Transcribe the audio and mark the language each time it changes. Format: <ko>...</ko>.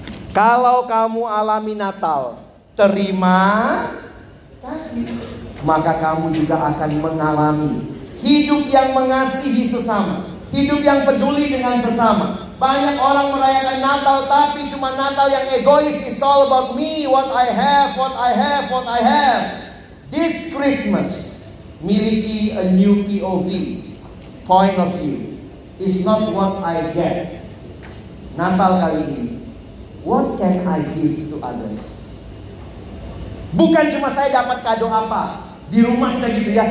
<id>Kalau kamu alami Natal, terima kasih, maka kamu juga akan mengalami hidup yang mengasihi sesama, hidup yang peduli dengan sesama. Banyak orang merayakan Natal tapi cuma Natal yang egois.</id> <en>It's all about me, what I have, what I have, what I have. This Christmas,</en> <id>miliki</id> <en>a new POV, point of view. It's not what I get.</en> <id>Natal kali ini,</id> <en>what can I give to others?</en> <id>Bukan cuma saya dapat kado apa di rumah kita gitu ya.</id>